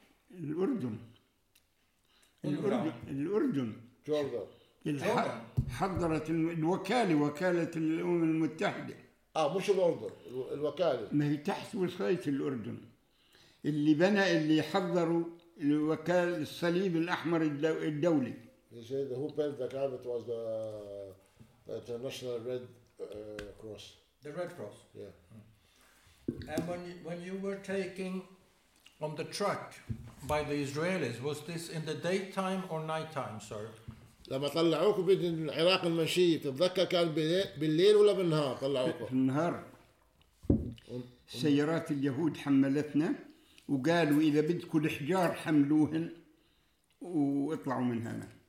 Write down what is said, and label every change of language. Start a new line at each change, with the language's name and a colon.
Arabic: الأردن. الأردن.
English: Jordan.
Arabic: حضرت الوكالة، وكالة الأمم المتحدة. مش الأردن، الوكالة. ما هي تحت وصاية الأردن. اللي بنى اللي حضروا الوكالة الصليب الأحمر الدولي.
English: He said who built the camp was the International Red Cross. The Red Cross. Yeah. And when you were taken on the truck by the Israelis, was this in the daytime or nighttime, sir?
Arabic: لما طلعوك من العراق المشي تتذكر كان بالليل ولا بالنهار طلعوك؟ النهار. سيارات اليهود حملتنا وقالوا إذا بدكم الحجار حملوهن واطلعوا من هنا.